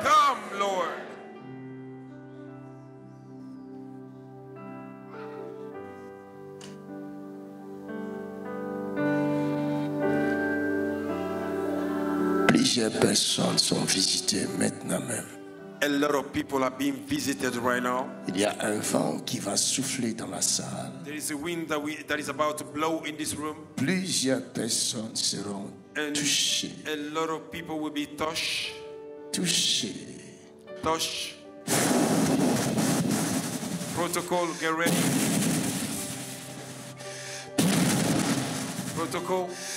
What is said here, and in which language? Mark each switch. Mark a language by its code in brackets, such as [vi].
[en] Come, Lord. [fr] Plusieurs personnes sont visitées maintenant même. [en] A lot of people are being visited right now. [fr] Il y a un vent qui va souffler dans la salle. [en] There is a wind that is about to blow in this room. [fr] Plusieurs personnes seront touchées. [en] A lot of people will be touched. [fr] Touchées. [en] Touch. Protocol, get ready. Protocol.